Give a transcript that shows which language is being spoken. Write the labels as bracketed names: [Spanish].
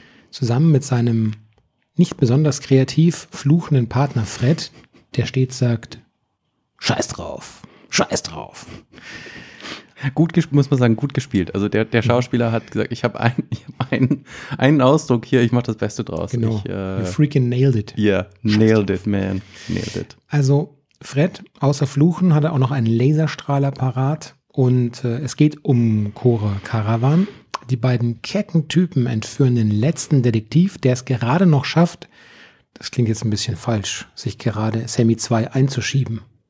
[German] Zusammen mit seinem nicht besonders kreativ fluchenden Partner Fred, der stets sagt, scheiß drauf, scheiß drauf. Gut gespielt, muss man sagen, gut gespielt. Also der Schauspieler hat gesagt, ich hab einen Ausdruck hier, ich mach das Beste draus. Genau, ich, [English] you freaking nailed it. Yeah, nailed it, man, nailed it. [German] Also Fred, außer Fluchen, hat er auch noch einen Laserstrahler parat und es geht um Cora Caravan. Die beiden kecken Typen entführen den letzten Detektiv, der es gerade noch schafft, das klingt jetzt ein bisschen falsch, sich gerade Sammy 2 einzuschieben.